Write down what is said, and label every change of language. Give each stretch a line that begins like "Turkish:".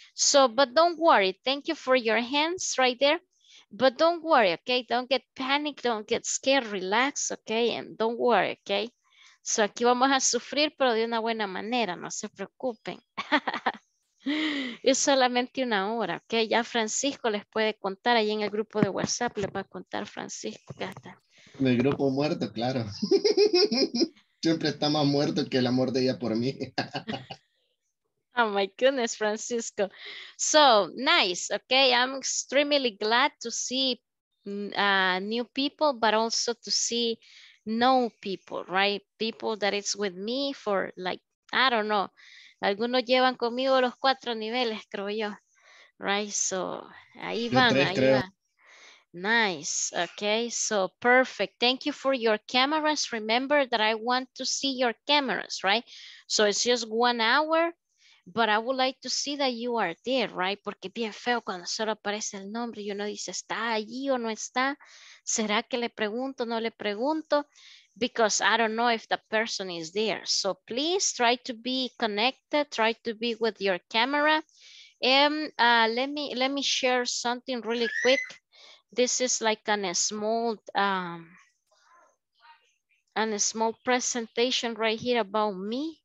English: So, but don't worry, thank you for your hands right there. But don't worry, okay? Don't get panicked, don't get scared, relax, okay? And don't worry, okay? So
Spanish: aquí vamos a sufrir, pero de una buena manera, no se preocupen. Es solamente una hora, ok. Ya Francisco les puede contar ahí en el grupo de WhatsApp, les va a contar Francisco. Ya está. El grupo muerto, claro. Siempre está más muerto que el amor de ella por mí.
English: Oh my goodness, Francisco. So nice, ok. I'm extremely glad to see new people, but also to see new people, right? People that it's with me for like, I don't know.
Spanish: Algunos llevan conmigo los cuatro niveles, creo yo.
English: Right, so
Spanish: ahí van, tres, ahí van.
English: Nice, okay, so perfect. Thank you for your cameras. Remember that I want to see your cameras, right? So it's just 1 hour, but I would like to see that you are there, right?
Spanish: Porque es bien feo cuando solo aparece el nombre y uno dice, ¿está allí o no está? ¿Será que le pregunto o no le pregunto?
English: Because I don't know if the person is there. So please try to be connected, try to be with your camera. And let me share something really quick. This is like a small presentation right here about me.